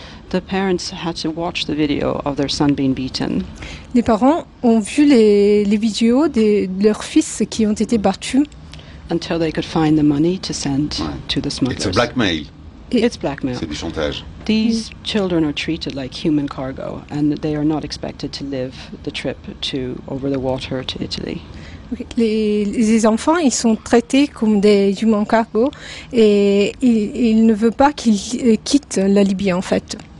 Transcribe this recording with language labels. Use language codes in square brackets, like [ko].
[en] The parents had to watch the video of their son being beaten. [fr] Les parents ont vu les vidéos de leurs fils qui ont été battus. [en] Until they could find the money to send to the smugglers. It's a blackmail. It's blackmail. [fr] C'est du chantage. [en] These children are treated like human cargo, and they are not expected to live the trip to over the water to Italy. [fr] Les enfants, ils sont traités comme des humains cargo et il ne veut pas qu'ils quittent la Libye en fait.